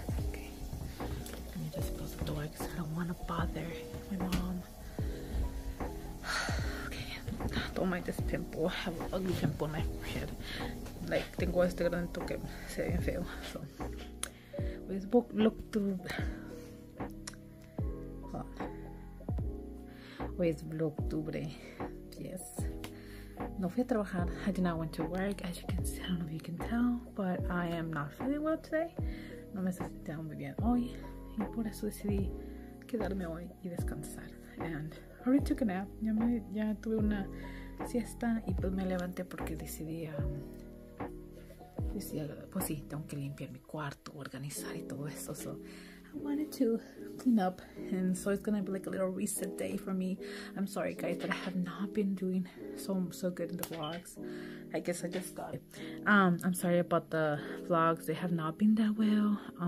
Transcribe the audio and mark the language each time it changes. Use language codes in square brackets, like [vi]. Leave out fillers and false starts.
[en] Okay. Let me just close the door because I don't want to bother my mom. Okay, don't mind this pimple. I have an ugly pimple on my forehead. [es] like tengo este gran toque, se ve bien feo. [en] So, with Vlogtober. [es] Hoy es Vlogtober. Yes. No fui a trabajar. [en] I did not want to work. As you can see, I don't know if you can tell, but I am not feeling well today. [es] No me sentía muy bien hoy. Y por eso decidí quedarme hoy y descansar. [en] And I already took a nap. [es] Ya tuve una siesta y pues me levanté porque decidí. Pues sí, tengo que limpiar mi cuarto, organizar y todo eso. [en] So, I wanted to clean up, and so it's gonna be like a little reset day for me. I'm sorry guys that I have not been doing so good in the vlogs. I guess I just got it. I'm sorry about the vlogs, they have not been that well.